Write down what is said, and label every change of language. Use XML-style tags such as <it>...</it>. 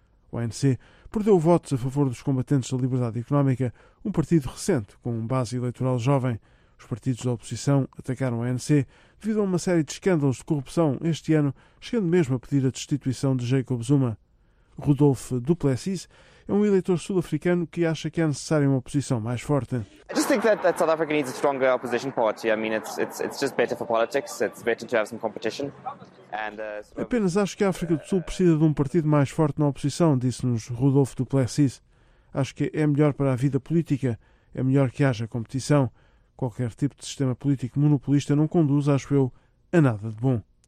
<pt>O ANC perdeu votos a favor dos combatentes da liberdade económica, um partido recente com base eleitoral jovem. Os partidos da oposição atacaram o ANC devido a uma série de escândalos de corrupção este ano, chegando mesmo a pedir a destituição de Jacob Zuma. Rudolf Duplessis é um eleitor sul-africano que acha que é necessária uma oposição mais forte.</pt> <en>I just think that South Africa needs a stronger opposition party. I mean, it's just better for politics. It's better to have some competition.</en> <pt>Apenas acho que a África do Sul precisa de um partido mais forte na oposição, disse-nos Rudolf Duplessis. Acho que é melhor para a vida política. É melhor que haja competição. Qualquer tipo de sistema político monopolista não conduz, acho eu, a nada de bom.</pt>